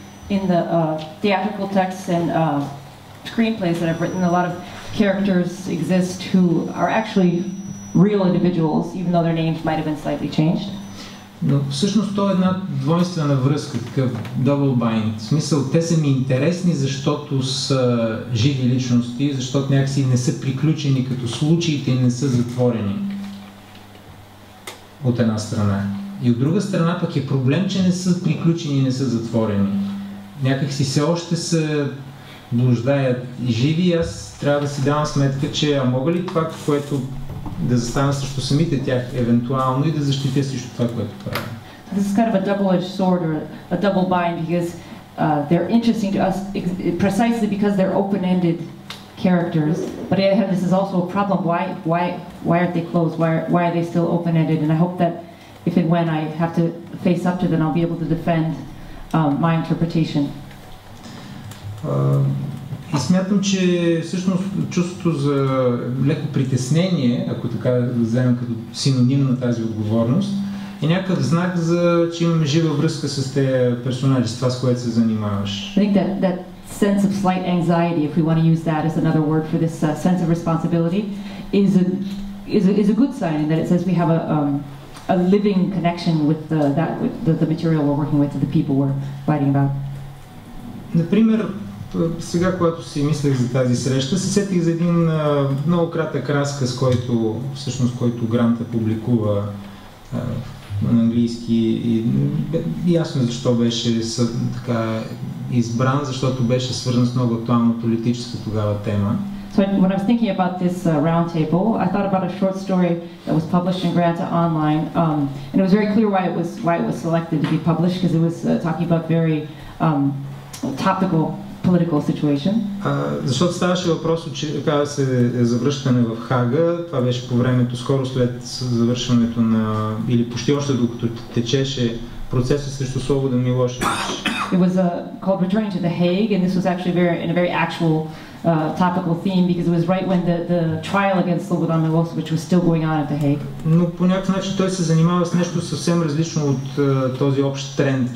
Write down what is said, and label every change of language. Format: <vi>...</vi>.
<en>In the theatrical texts and screenplays that I've written, a lot of characters exist who are actually real individuals, even though their names might have been slightly changed.</en> <bg>Но всъщност то е една двойствена връзка, такъв</bg> <en>double bind.</en> <bg>В смисъл, те са ми интересни, защото са живи личности, защото някакси не са приключени като случаите и не са затворени от една страна. И от друга страна пък е проблем, че не са приключени и не са затворени. Някакси все още се блуждаят живи, аз трябва да си давам сметка, че а мога ли това, което да застана срещу самите тях евентуално и да защитя срещу това, което правя.</bg> <en>This is kind of a double-edged sword or a double bind, because they're interesting to us precisely because they're open-ended characters. But this is also a problem. Why aren't they closed? Why are they still open-ended? And I hope that if and when I have to face up to them, I'll be able to defend my interpretation.</en> <bg>И смятам, че всъщност чувството за леко притеснение, ако така да вземем като синоним на тази отговорност, е някакъв знак, за че имаме жива връзка с тези персонажи, с това, с което се занимаваш.</bg> <en>I think that sense of slight anxiety, if we want to use that as another word for this sense of responsibility, is a good sign in that it says we have a living connection with the material we're working with, the people we're writing about.</en> <bg>Например, сега когато си мислех за тази среща, се сетих за един много кратък разказ, който всъщност който Грант публикува на английски, и ясно защо беше така избран, защото беше свързан с много актуална политическа тогава тема.</bg> <en>So when I was thinking about this roundtable, I thought about a short story that was published in Granta Online, and it was very clear why it was selected to be published, because it was talking about very topical political situation.</en> <bg>Защото ставаше въпрос, че казва се завръщане в Хага. Това беше по времето, скоро след завършването на, или почти още докато течеше процеса срещу Слободан Милошевич.</bg> <en>It was called Returning to the Hague, and this was actually in a very actual topical theme, because it was right when the trial against Slobodan Milošević was still going on at the Hague.</en> <bg>Но по някакъв начин той се занимава с нещо съвсем различно от този общ тренд.</bg>